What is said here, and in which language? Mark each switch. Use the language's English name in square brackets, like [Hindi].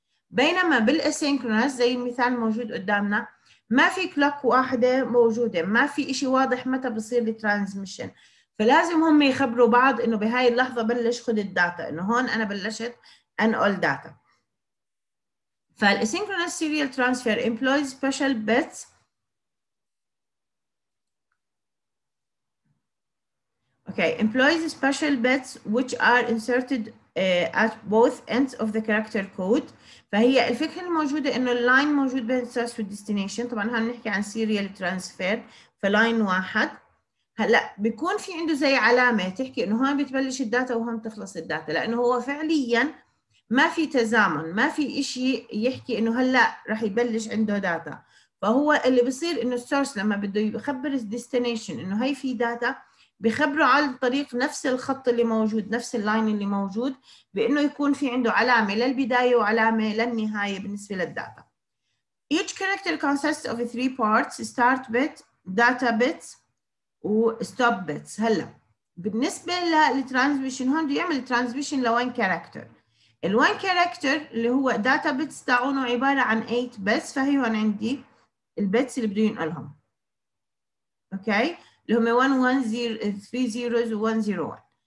[Arabic] بينما بالاسينكرونس زي المثال الموجود قدامنا ما في كلوك وحده موجوده، ما في شيء واضح متى بصير الترانزميشن، فلازم هم يخبروا بعض انه بهاي اللحظه بلش خذ الداتا، انه هون انا بلشت انقل داتا. [English] فالاسينكرونس serial transfer employs special bits Okay, employs special bits which are inserted at both ends of the character code. [Arabic] فهي الفكرة الموجودة إنه line موجود بين source و destination. طبعاً هم نحكي عن serial transfer في line واحد. هلأ بيكون في عنده زي علامة تحكي إنه هون بتبلش الداتا وهون تخلص الداتا، لأنه هو فعلياً ما في تزامن، ما في إشي يحكي إنه هلأ رح يبلش عنده داتا. فهو اللي بصير إنه source لما بده يخبر destination إنه هاي في داتا، بخبره على الطريق نفس الخط اللي موجود، نفس اللاين اللي موجود، بانه يكون في عنده علامه للبدايه وعلامه للنهايه بالنسبه للداتا. [English] Each character consists of three parts: start bit, data bits, [Arabic] و [English] stop bits. [Arabic] هلا بالنسبه للترانزميشن هون بده يعمل ترانزميشن لوين كاركتر. الوين كاركتر اللي هو داتا بيتس تاعونه عباره عن 8 بس، فهي هون عندي البيتس اللي بده ينقلهم. اوكي؟ اللي هم 110 30 و101.